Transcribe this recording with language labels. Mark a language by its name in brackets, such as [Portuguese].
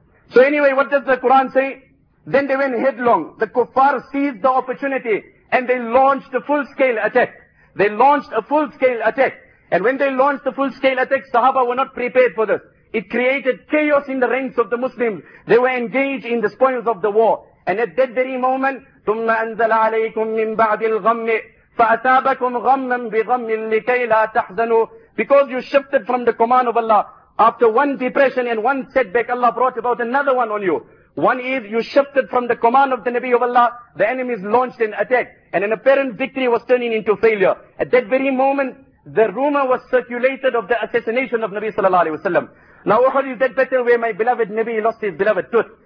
[English] So anyway, what does the Quran say? Then they went headlong. The kuffar seized the opportunity and they launched a full-scale attack. They launched a full-scale attack. And when they launched the full-scale attack, Sahaba were not prepared for this. It created chaos in the ranks of the Muslims. They were engaged in the spoils of the war. And at that very moment, [Arabic] ثُمَّ أَنزَلَ عَلَيْكُم مِّن بَعْدِ الْغَمِّ فَأَتَابَكُمْ غَمًّا بِغَمٍّ لِكَيْ لَا تَحْزَنُوا. [English] Because you shifted from the command of Allah. After one depression and one setback, Allah brought about another one on you. One is you shifted from the command of the Nabi of Allah, the enemies launched an attack, and an apparent victory was turning into failure. At that very moment, the rumor was circulated of the assassination of Nabi sallallahu alayhi wa sallam. Now, Uhud is that battle where my beloved Nabi lost his beloved tooth.